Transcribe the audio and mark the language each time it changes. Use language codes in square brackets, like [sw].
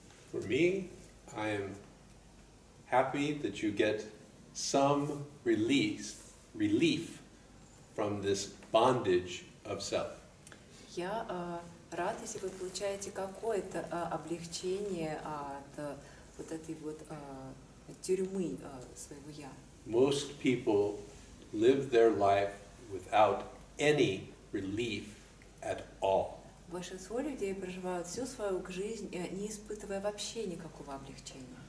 [en] For me, I am happy that you get some relief from this bondage of self. [ru] Я рад, если вы получаете какое-то облегчение от вот этой вот тюрьмы своего я. [en] Most people live their life without any relief at all. [ru] Большинство людей проживают всю свою жизнь, не испытывая вообще никакого облегчения.